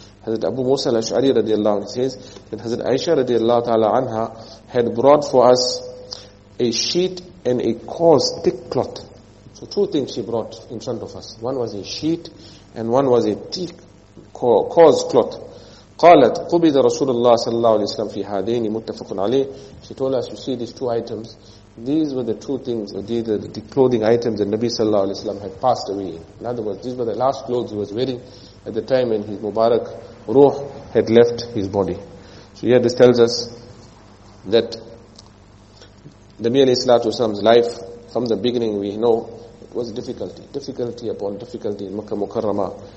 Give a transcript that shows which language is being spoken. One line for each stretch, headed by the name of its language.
English: Hazrat Abu Musa al-Ash'ari radiallahu anhu says that Hazrat Aisha radiallahu ta'ala anha had brought for us a sheet and a coarse thick cloth. So two things she brought in front of us. One was a sheet and one was a thick coarse cloth.
Arabic: قالت قبض رسول الله صلى الله عليه وسلم في هذين متفق عليه.
English: She told us, you see these two items, these were the two things, the clothing items that Nabi صلى الله عليه وسلم had passed away. In other words, these were the last clothes he was wearing at the time when his Mubarak Ruh had left his body. So here this tells us that Nabi عليه الصلاة والسلام's life from the beginning we know it was difficulty, difficulty upon difficulty in Makkah Mukarramah.